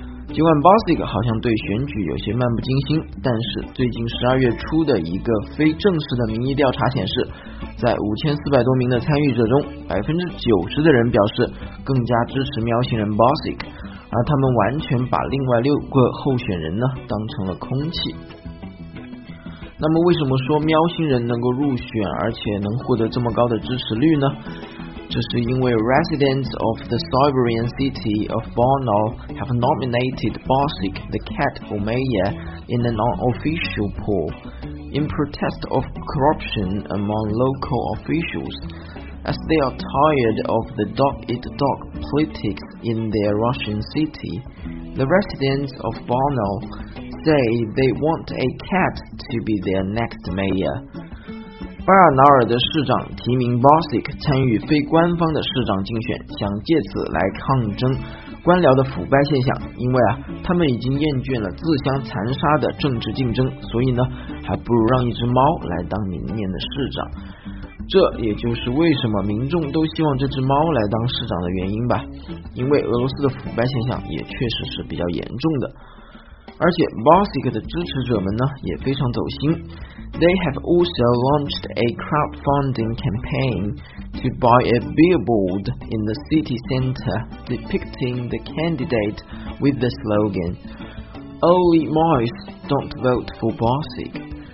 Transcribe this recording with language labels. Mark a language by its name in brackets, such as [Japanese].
[Chinese] 尽管 Bostik 好像对选举有些漫不经心，但是最近12月初的一个非正式的民意调查显示，在5400多名的参与者中，90%的人表示更加支持喵星人 Bostik， 而他们完全把另外六个候选人呢当成了空气。那么为什么说喵星人能够入选而且能获得这么高的支持率呢？这是因为 [English] residents of the Siberian city of Borno have nominated Bostik the cat for mayor in an unofficial poll in protest of corruption among local officials as they are tired of the dog-eat-dog politics in their Russian city. The residents of Borno say they want a cat to be their next mayor. [Chinese] 巴尔瑙尔的市长提名 Bostik 参与非官方的市长竞选，想借此来抗争官僚的腐败现象。因为啊，他们已经厌倦了自相残杀的政治竞争，所以呢，还不如让一只猫来当明年的市长。这也就是为什么民众都希望这只猫来当市长的原因吧。因为俄罗斯的腐败现象也确实是比较严重的。而且 Bostik 的支持者们呢也非常走心。 [English] They have also launched a crowdfunding campaign to buy a billboard in the city center depicting the candidate with the slogan Only mice don't vote for Bostik.